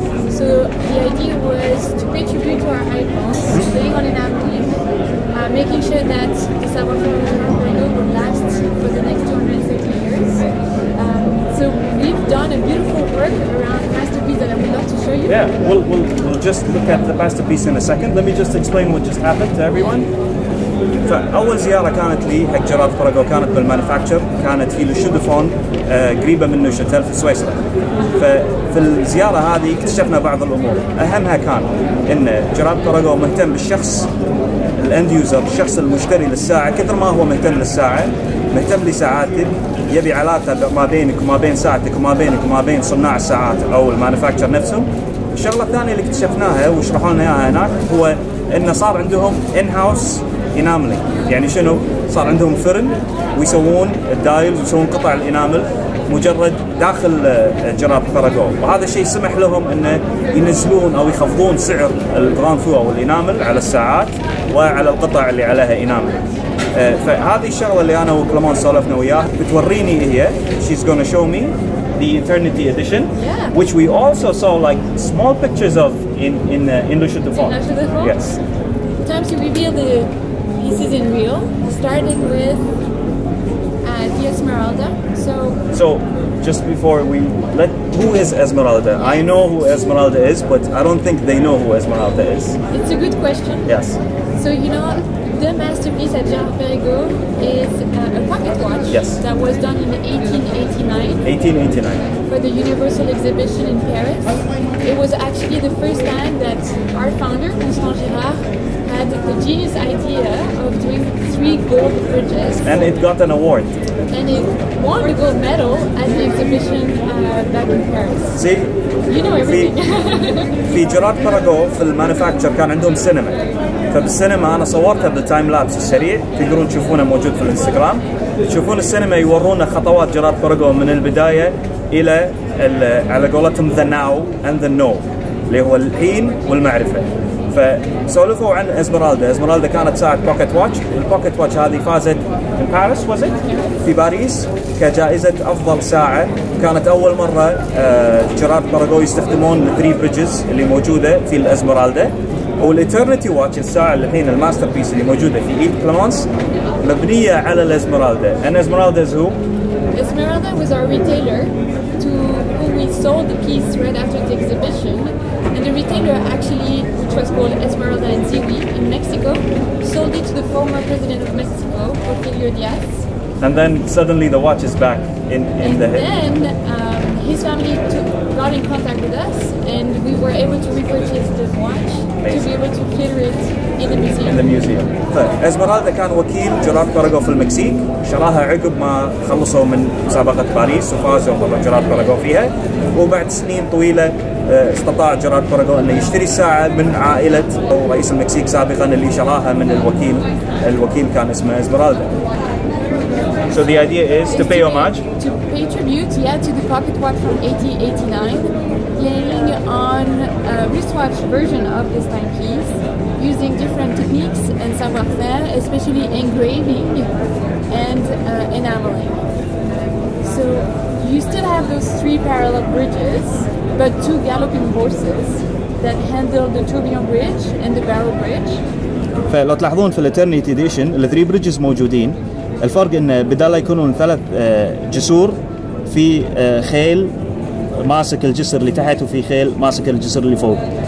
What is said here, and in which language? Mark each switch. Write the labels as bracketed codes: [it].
[en] So the idea was to pay tribute to our icons, playing on enameling, making sure that the savoir-faire will last for the next 230 years. So we've done a beautiful work around masterpiece that I would love to show you. Yeah, we'll just look at the masterpiece in a second. Let me just explain what just happened to everyone. [ar] فأول زيارة كانت لي حق جيرارد بيريغو كانت بالمانيفاكتشر كانت في لشودفون قريبة منه شتل في سويسرا ففي الزيارة هذه اكتشفنا بعض الأمور أهمها كان أن جيرارد بيريغو مهتم بالشخص الاند يوزر الشخص المشتري للساعة كثر ما هو مهتم للساعة مهتم لساعاتك يبي علاقته ما بينك وما بين ساعتك وما بينك وما بين صناع الساعات أو المانيفاكتشر نفسهم الشغلة الثانية اللي اكتشفناها وشرحوا لنا إياها هناك هو أنه صار عندهم ان هاوس إناملينج يعني شنو صار عندهم فرن ويسوون الدايلز ويسوون قطع الإنامل مجرد داخل جيرارد بيريغو وهذا الشيء سمح لهم إنه ينزلون أو يخفضون سعر الغرانفو أو الإنامل على الساعات وعلى القطع اللي عليها إنامل فهذه الشغلة اللي أنا وكلمان سولفنا وياه بتوريني هي [en] she's gonna show me the Eternity Edition yeah. which we also saw like small pictures of in Lucia de Fon yes time to reveal the This is in real, starting with the Esmeralda. So just before we let, who is Esmeralda? I know who Esmeralda is, but I don't think they know who Esmeralda is. It's a good question. Yes. So you know, the masterpiece at Girard Perregaux is a pocket watch yes. that was done in 1889 for the Universal Exhibition in Paris. It was actually the first time that our founder, Constant Girard, had the genius idea of doing three gold bridges. And it got an award. And it won the gold medal at the exhibition back in Paris. See? You know everything. [ar] في جيرارد بيريغو في المانيفاكتشر كان عندهم سينما. فبالسينما انا صورتها بالتايم لابس السريع تقدرون تشوفونه موجود في الانستغرام تشوفون السينما يورونا خطوات جيرارد بيريغو من البدايه الى على قولتهم [en] the now and the know [ar] اللي هو الحين والمعرفه فسولفوا عن اسمرالدا اسمرالدا كانت ساعه بوكيت واتش البوكيت واتش هذه فازت في باريس واز ات في باريس كجائزه افضل ساعه كانت اول مره جيرارد بيريغو يستخدمون الثري بريدجز اللي موجوده في الاسمرالدا والإترنتي واتش الساعة اللي حين الماستر بيس اللي موجودة في إيد كلمانس مبنية على الإزمرالدا أن إزمرالدا هو؟ [en] Esmeralda was our retailer to whom we sold the piece right after the exhibition and the retailer actually which was called Esmeralda and Ziwi in Mexico sold it to the former president of Mexico Porfirio Diaz and then suddenly the watch is back in and the and then his family took, got got in contact with us, and we were able to repurchase the watch to be able to feature it in the museum. In the museum. [ar] طيب اسمرالدا كان وكيل جيرارد بيريغوه في المكسيك, شراها عقب ما خلصوا من مسابقة باريس وفازوا طبعا جيرارد بيريغوه فيها, وبعد سنين طويلة استطاع جيرارد بيريغوه أن يشتري الساعة من عائلة رئيس المكسيك سابقا اللي شراها من الوكيل. الوكيل كان اسمه اسمرالدا. [en] So the idea is to pay homage? To pay tribute, yeah, to the pocket watch from 1889, playing on a wristwatch version of this timepiece, using different techniques and savoir-faire, especially engraving and enameling. So you still have those three parallel bridges, but two galloping horses that handle the tourbillon bridge and the barrel bridge. [ar] فلو تلاحظون في الاترنيتي اديشن الثري بريدجز موجودين, الفرق ان بدال يكونون ثلاث جسور في خيل ماسك الجسر اللي تحت وفي خيل ماسك الجسر اللي فوق.